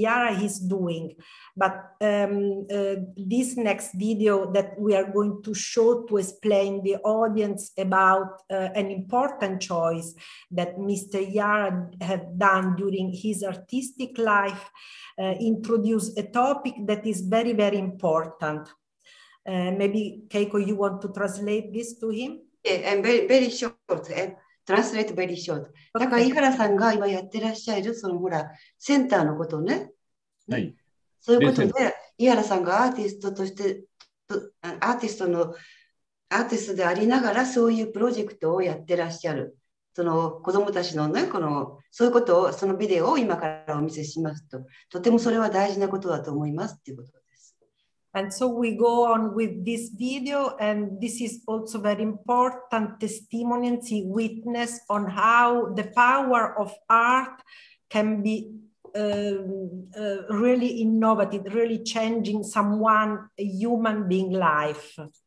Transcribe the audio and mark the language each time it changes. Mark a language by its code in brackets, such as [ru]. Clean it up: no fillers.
[en] Ihara is doing. But this next video that we are going to show to explain the audience about an important choice that Mr. Ihara had done during his artistic life introduced a topic that is very, very important. Maybe Keiko, you want to translate this to him? Yeah, and very, very short. Translate very short. [ja] Okay. だから井原さんが今やってらっしゃるそのほらセンターのことね。はい。そういうことで井原さんがアーティストとしてアーティストのアーティストでありながらそういうプロジェクトをやってらっしゃる。その子どもたちのね、このそういうことをそのビデオを今からお見せしますと、とてもそれは大事なことだと思いますっていうことです。 [en] And so we go on with this video, and this is also very important testimony witness on how the power of art can be really innovative, really changing someone, a human being life.